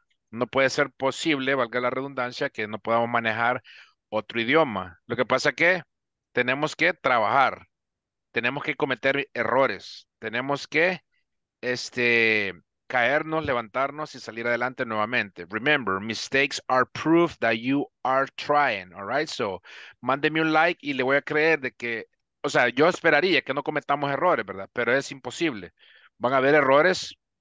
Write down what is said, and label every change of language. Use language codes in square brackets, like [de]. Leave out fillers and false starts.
[es] No puede ser posible, valga la redundancia, que no podamos manejar otro idioma. Lo que pasa es que tenemos que trabajar. Tenemos que cometer errores. Tenemos que caernos, levantarnos y salir adelante nuevamente. [en] Remember, mistakes are proof that you are trying, all right? [es] So, mándeme un like y le voy a creer de que, o sea, yo esperaría que no cometamos errores, ¿verdad? Pero es imposible. Van a haber errores